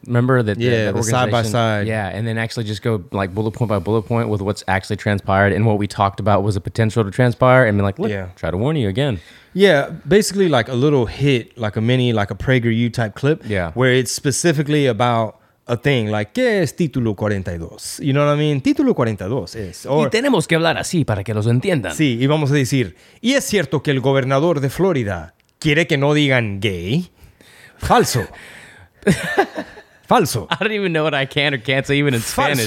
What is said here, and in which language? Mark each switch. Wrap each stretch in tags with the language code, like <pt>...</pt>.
<en>Remember that? Yeah, the side by side. Yeah. And then actually just go like bullet point by bullet point with what's actually transpired and what we talked about was a potential to transpire. And be like, look, try to warn you again. Yeah, basically like a little hit, like a mini, like a PragerU type clip. Yeah. Where it's specifically about a thing like,</en> <es>¿qué es título 42?</es> <en>You know what I mean?</en> <es>Título 42 es... Or, y tenemos que hablar así para que los entiendan. Sí, y vamos a decir, ¿y es cierto que el gobernador de Florida quiere que no digan gay? Falso. Falso.</es> <en>I don't even know what I can or can't say even in Spanish.</en>